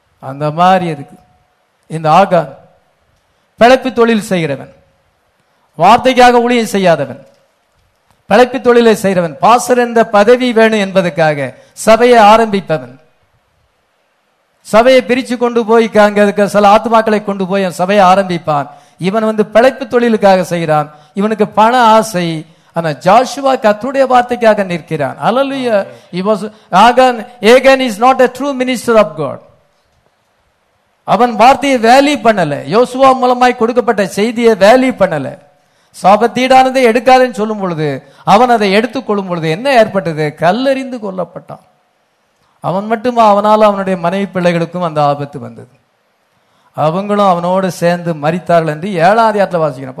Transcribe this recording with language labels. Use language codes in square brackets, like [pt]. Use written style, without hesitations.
[ta] அந்த மாதிரி இருக்கு இந்த ஆகான். பிழைப்பு தொழில் செய்கிறவன், வார்த்தைக்காக ஊழியம் செய்யாதவன், பிழைப்பு தொழிலை செய்கிறவன், பாஸ்டர் என்ற பதவி வேணும் என்பதற்காக சபையை ஆரம்பிப்பவன், சபையை பிரிச்சு கொண்டு போய் சில ஆத்மாக்களை கொண்டு போய் சபையை ஆரம்பிப்பான், இவன் வந்து பிழைப்பு தொழிலுக்காக செய்கிறான், இவனுக்கு பண ஆசை. ஆனா ஜாஷுவா கர்த்தருடைய வார்த்தைக்காக நிற்கிறான். [en] Hallelujah. He was Agan. Agan is not a true minister of God. [ta] அவன் வார்த்தையை வேலையை பண்ணல, யோசுவா மூலமாய் கொடுக்கப்பட்ட செய்தியை வேலையை பண்ணல. சாபத்தீடானதை எடுக்காதுன்னு சொல்லும் பொழுது, அவன் அதை எடுத்துக் கொள்ளும் பொழுது என்ன ஏற்பட்டது? கல்லறிந்து கொல்லப்பட்டான். அவன் மட்டுமா, அவனால் அவனுடைய மனைவி பிள்ளைகளுக்கும் அந்த ஆபத்து வந்தது, அவங்களும் அவனோடு சேர்ந்து மரித்தார்கள் என்று ஏழாம் அதிகாரத்தில் வாசிக்கிறோம்.